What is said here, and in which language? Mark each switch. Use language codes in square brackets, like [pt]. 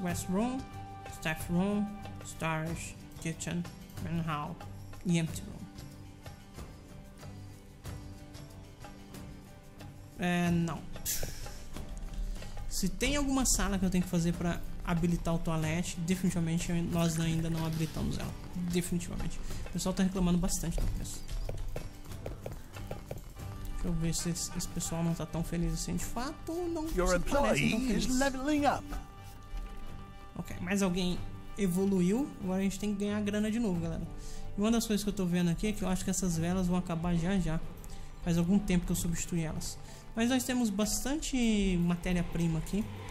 [en] West room, staff room, storage, kitchen, main hall e empty room. [pt] É, não. Se tem alguma sala que eu tenho que fazer pra habilitar o toalete. Definitivamente nós ainda não habilitamos ela. Definitivamente. O pessoal tá reclamando bastante do preço. Deixa eu ver se esse pessoal não tá tão feliz assim de fato. Não, [en] your employee is leveling up. [pt] Ok, mais alguém evoluiu. Agora a gente tem que ganhar grana de novo, galera. E uma das coisas que eu tô vendo aqui é que eu acho que essas velas vão acabar já já. Faz algum tempo que eu substituí elas. Mas nós temos bastante matéria-prima aqui.